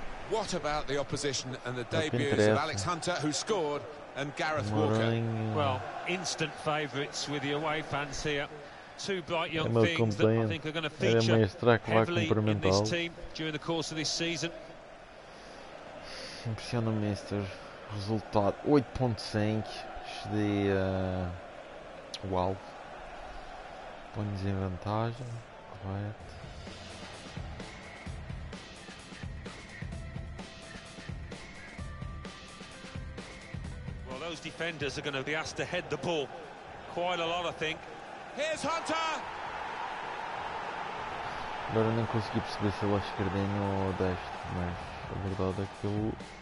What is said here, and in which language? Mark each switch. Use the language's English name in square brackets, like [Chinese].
[English] What about the opposition and the debuts of Alex Hunter, who scored, and Gareth Walker? Well, instant favourites with the away fans here. Two bright young things that I think are going to feature heavily in this team during the course of this season. [Portuguese] Impressiona, Mister. Resultado 8.5 de uau, põe-nos em vantagem, correto. [English] Well, those defenders are going to be asked to head the ball quite a lot, I think. Here's Hunter. [Portuguese] Agora não consegui perceber se ele é esquerdinho ou destro, mas a verdade é que eu...